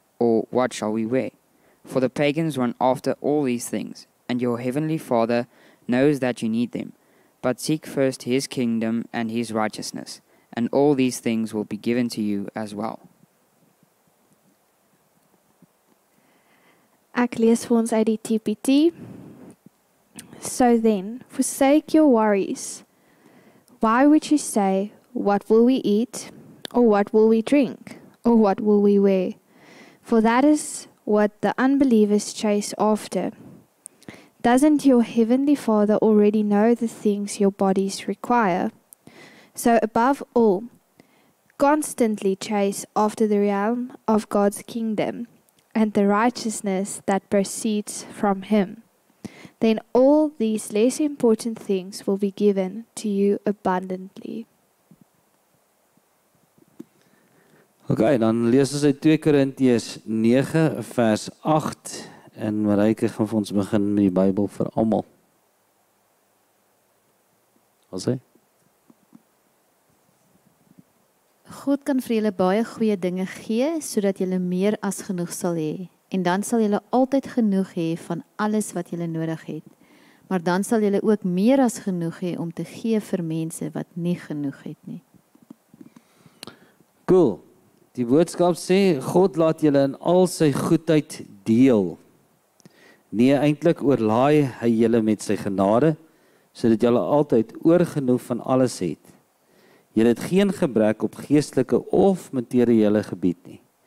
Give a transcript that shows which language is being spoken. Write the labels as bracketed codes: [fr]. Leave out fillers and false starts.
[en] Or what shall we wear? For the pagans run after all these things, and your heavenly Father knows that you need them. But seek first his kingdom and his righteousness, and all these things will be given to you as well. [af] Ek lees vir ons uit die TPT. [en] So then, forsake your worries. Why would you say, what will we eat, or what will we drink, or what will we wear? For that is what the unbelievers chase after. Doesn't your heavenly Father already know the things your bodies require? So above all, constantly chase after the realm of God's kingdom and the righteousness that proceeds from him. Then all these less important things will be given to you abundantly. [af] Okay, dan lees ons uit 2 Korintiërs 9 vers 8. En Marijke gaan vir ons begin met die Bybel vir almal. Wat sê? God kan vir julle baie goeie dinge gee, sodat julle meer as genoeg sal hê. En dan sal julle altyd genoeg hê van alles wat julle nodig het. Maar dan sal julle ook meer as genoeg hê om te gee vir mense wat nie genoeg het nie. Cool. Die boodskap sê, God laat julle in al sy goedheid deel. Nee, eintlik oorlaai hy julle met sy genade, sodat julle altyd oorgenoeg van alles het. Julle het geen gebrek op geestelike of materiële gebied nie.